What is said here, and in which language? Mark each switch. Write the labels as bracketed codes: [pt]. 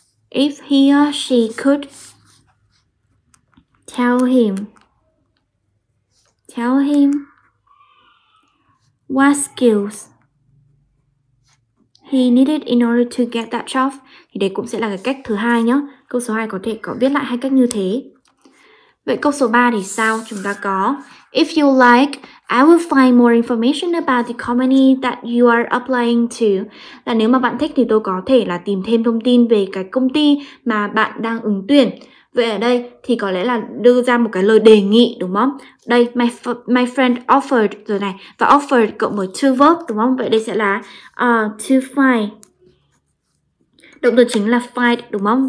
[en] If he or she could tell him what skills he needed in order to get that job, [vi] thì đây cũng sẽ là cái cách thứ hai nhá. Câu số 2 có thể có viết lại hai cách như thế. Vậy câu số 3 thì sao? Chúng ta có [en] if you like, I will find more information about the company that you are applying to. [vi] Là nếu mà bạn thích thì tôi có thể là tìm thêm thông tin về cái công ty mà bạn đang ứng tuyển. Vậy ở đây thì có lẽ là đưa ra một cái lời đề nghị, đúng không? Đây, [en] my friend offered [vi] rồi này. Và offered cộng với [en] to verb, [vi] đúng không? Vậy đây sẽ là [en] to find. [vi] Động từ chính là find, đúng không?